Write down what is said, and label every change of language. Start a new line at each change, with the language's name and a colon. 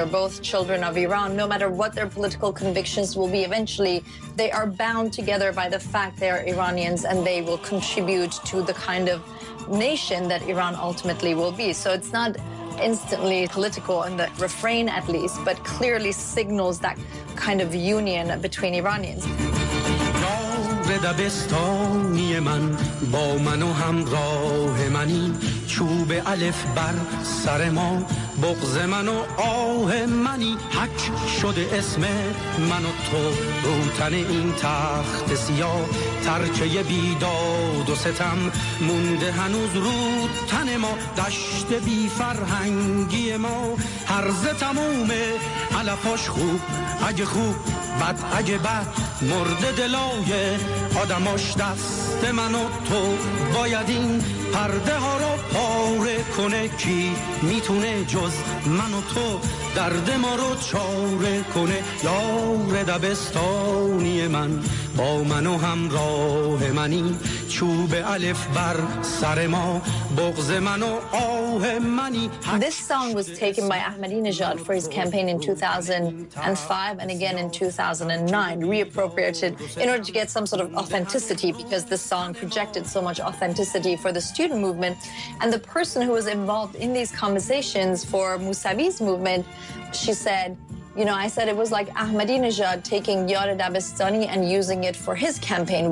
English: They're both children of Iran. No matter what their political convictions will be eventually, they are bound together by the fact they are Iranians and they will contribute to the kind of nation that Iran ultimately will be. So it's not instantly political in the refrain at least, but clearly signals that kind of union between Iranians.
Persian: دبستانی من با من و همراه منی چوب الف بر سر ما بغض من و آه منی حک شده اسم من و تو روتن این تخت سیاه ترچه بیداد و ستم مونده هنوز روتن ما دشت بی فرهنگی ما هرزه تمومه علفاش خوب اگه خوب بد اگه بد مرده دلای آدماش دست من و تو باید این پرده ها رو پاره کنه کی میتونه جز من و تو درد ما رو چاره کنه یار دبستانی من با من و همراه منی چوب الف بر سر ما بغض من و آه منی.
English: This song was taken by Ahmadinejad for his campaign in 2005 and again in 2009, reappropriated in order to get some sort of authenticity because the song projected so much authenticity for the student movement. And the person who was involved in these conversations for Mousavi's movement, she said, you know, I said it was like Ahmadinejad taking Yad-e Dabistani and using it for his campaign.